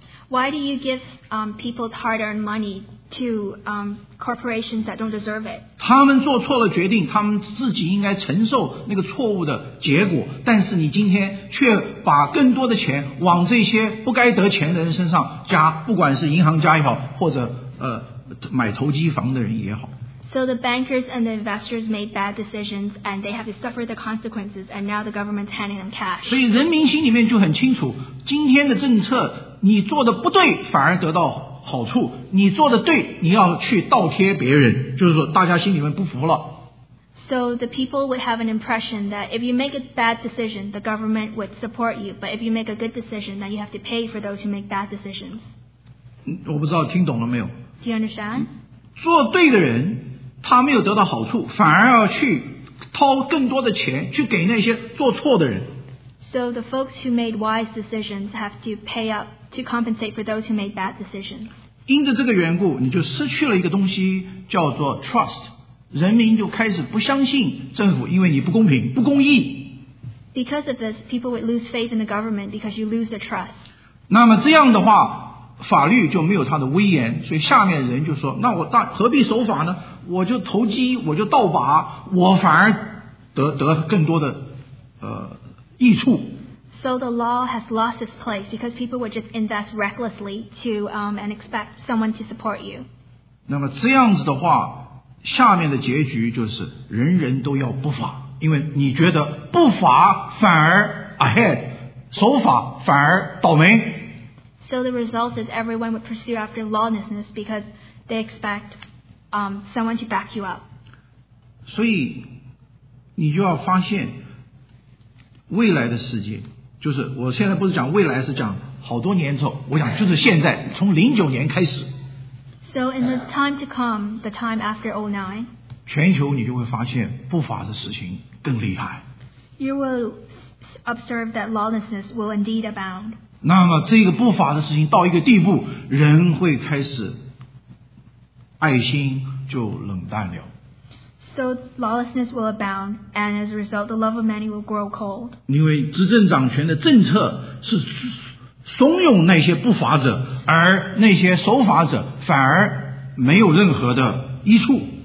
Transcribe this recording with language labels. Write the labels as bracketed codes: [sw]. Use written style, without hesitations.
[en] Why do you give people's hard-earned money? To corporations that don't deserve it. [zh] 他们做错了决定，他们自己应该承受那个错误的结果。但是你今天却把更多的钱往这些不该得钱的人身上加，不管是银行家也好，或者买投机房的人也好。 [en] So the bankers and the investors made bad decisions, and they have to suffer the consequences. And now the government's handing them cash. [zh] 所以人民心里面就很清楚，今天的政策你做的不对，反而得到。好处，你做的对，你要去倒贴别人，就是说大家心里面不服了。 [en] So the people would have an impression that if you make a bad decision, the government would support you, but if you make a good decision, then you have to pay for those who make bad decisions. [zh] 我不知道听懂了没有。 [en] Do you understand? [zh] 做对的人，他没有得到好处，反而要去掏更多的钱去给那些做错的人。 [en] So the folks who made wise decisions have to pay up. To compensate for those who made bad decisions. [zh] 因着这个缘故，你就失去了一个东西，叫做 [en] trust. [zh] 人民就开始不相信政府，因为你不公平、不公义。 [en] Because of this, people would lose faith in the government because you lose their trust. [zh] 那么这样的话，法律就没有它的威严，所以下面人就说：“那我何必守法呢？我就投机，我就倒把，我反而得更多的益处。” [en] So the law has lost its place because people would just invest recklessly to and expect someone to support you. [zh] 那么这样子的话，下面的结局就是人人都要不法，因为你觉得不法反而 [en] ahead， [zh] 守法反而倒霉。 [en] So the result is everyone would pursue after lawlessness because they expect someone to back you up. [zh] 所以你就要发现未来的世界，就是我现在不是讲未来，是讲好多年之后，我想就是现在，从09年开始。 [en] So in the time to come, the time after 09, [zh] 全球你就会发现不法的事情更厉害。 [en] You will observe that lawlessness will indeed abound. [zh] 那么这个不法的事情到一个地步，人会开始爱心就冷淡了。 [en] So lawlessness will abound, and as a result, the love of many will grow cold. [zh] 因为执政掌权的政策是怂恿那些不法者，而那些守法者反而没有任何的益处。